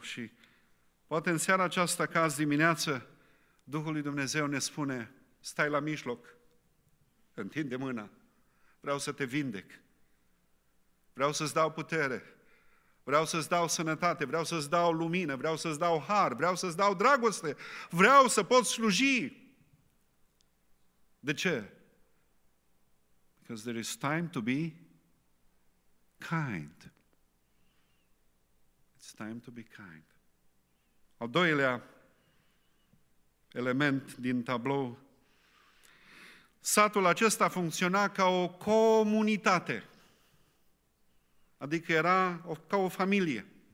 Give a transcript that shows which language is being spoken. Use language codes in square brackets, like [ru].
[ro] Și poate în seara aceasta, ca azi dimineață, Duhul lui Dumnezeu ne spune: stai la mijloc. Întinde mâna, vreau să te vindec, vreau să-ți dau putere, vreau să-ți dau sănătate, vreau să-ți dau lumină, vreau să-ți dau har, vreau să-ți dau dragoste, vreau să pot sluji. De ce? [en] Because there is time to be kind. time to be kind. [ro] Al doilea element din tablou, satul acesta funcționa ca o comunitate, adică era ca o familie.